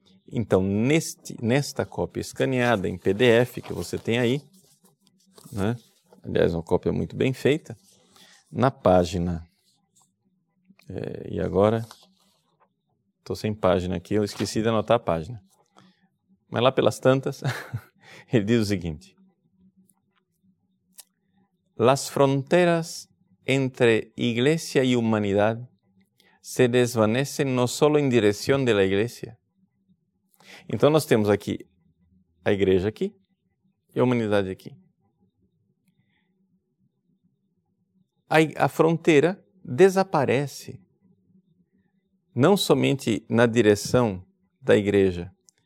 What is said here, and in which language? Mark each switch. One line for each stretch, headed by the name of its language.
Portuguese: Então, nesta cópia escaneada em PDF que você tem aí, né? Aliás, uma cópia muito bem feita, na página... e agora, estou sem página aqui, eu esqueci de anotar a página. Mas lá pelas tantas, ele diz o seguinte.
Spanish: Las fronteras entre iglesia y humanidad se desvanecen no solo en dirección de la iglesia.
Portuguese: Então, nós temos aqui a igreja aqui e a humanidade aqui. A fronteira desaparece. Não somente na direção da igreja.